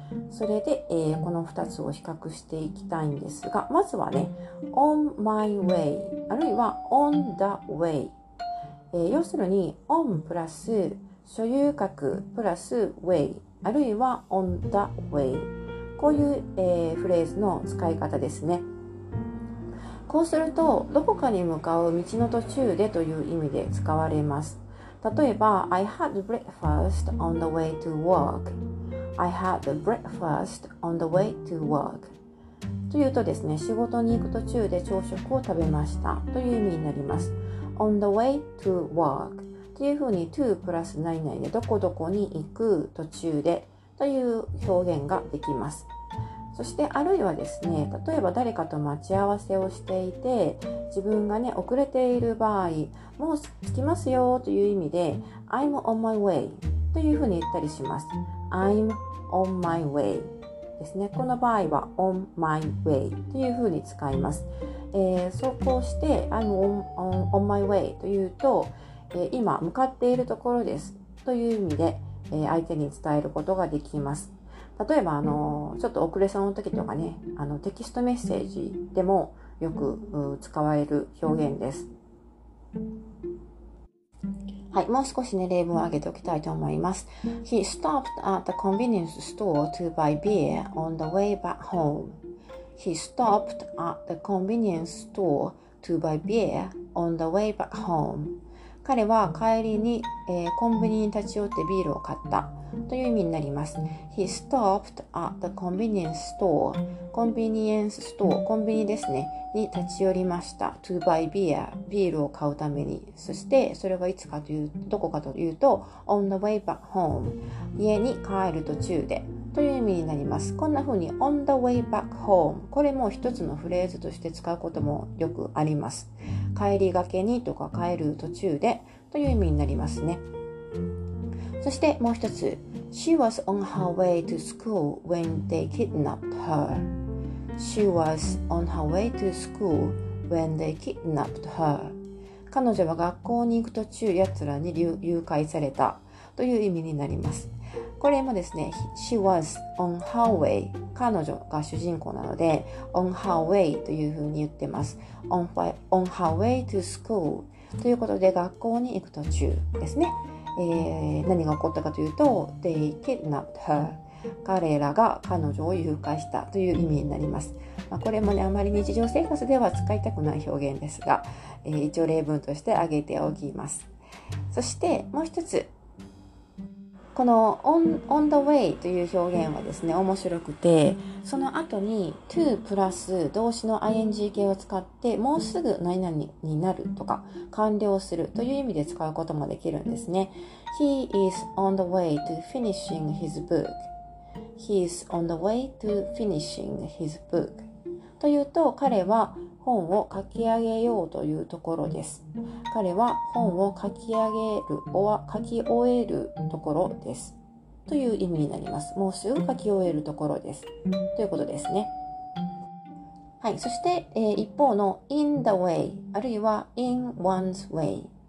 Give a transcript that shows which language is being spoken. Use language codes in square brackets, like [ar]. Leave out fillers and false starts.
[ja] それで、この2つを比較していきたいんですが、まずはね、 [en] on my way、 [ja] あるいは [en] on the way、 [ja] 要するに、on プラス所有格プラス way、あるいは on the way、こういう、フレーズの使い方ですね。こうすると、どこかに向かう道の途中でという意味で使われます。例えば、 [en] I had breakfast on the way to work. I had breakfast on the way to work. [ja] というとですね、仕事に行く途中で朝食を食べましたという意味になります。 [en] On the way to work. [ja] というふうに to プラス何々でどこどこに行く途中でという表現ができます。そしてあるいはですね、例えば誰かと待ち合わせをしていて、自分がね、遅れている場合、もう着きますよという意味で、 [en] I'm on my way. [ja] というふうに言ったりします。 [en] I'm on my way [ja] ですね。この場合は on my way というふうに使います。そうこうして I'm on my way というと、今向かっているところですという意味で、相手に伝えることができます。例えばちょっと遅れそうな時とかね、テキストメッセージでもよく使われる表現です。はい、もう少しね、例文を挙げておきたいと思います。 [en] He stopped at the convenience store to buy beer on the way back home. He stopped at the convenience store to buy beer on the way back home. [ja] 彼は帰りに、コンビニに立ち寄ってビールを買ったという意味になります。 [en] He stopped at the convenience store. Convenience store. [ja] コンビニですね。に立ち寄りました。 [en] To buy beer. [ja] ビールを買うために。そして、それがいつかという、どこかというと、 [en] on the way back home. [ja] 家に帰る途中で。という意味になります。こんな風に、 [en] on the way back home. [ja] これも一つのフレーズとして使うこともよくあります。帰りがけにとか帰る途中で。という意味になりますね。そしてもう一つ。 [en] She was on her way to school when they kidnapped her. She was on her way to school when they kidnapped her. [ja] 彼女は学校に行く途中、やつらに誘拐されたという意味になります。これもですね、 [en] She was on her way. [ja] 彼女が主人公なので、on her way というふうに言ってます。 [en] On her way to school [ja] ということで、学校に行く途中ですね。何が起こったかというと、 [en] They kidnapped her. [ja] 彼らが彼女を誘拐したという意味になります。まあ、これもね、あまり日常生活では使いたくない表現ですが、一応例文として挙げておきます。そしてもう一つ。この on the way という表現はですね、面白くて、その後に to プラス動詞の ing 形を使って、もうすぐ何々になるとか、完了するという意味で使うこともできるんですね。 [en] He is on the way to finishing his book. He is on the way to finishing his book. [ja] というと、彼は本を書き上げようというところです。彼は本を書き上げる、書き終えるところです。という意味になります。もうすぐ書き終えるところです。ということですね。はい。そして、一方の [en] in the way、 [ja] あるいは [en] in one's way。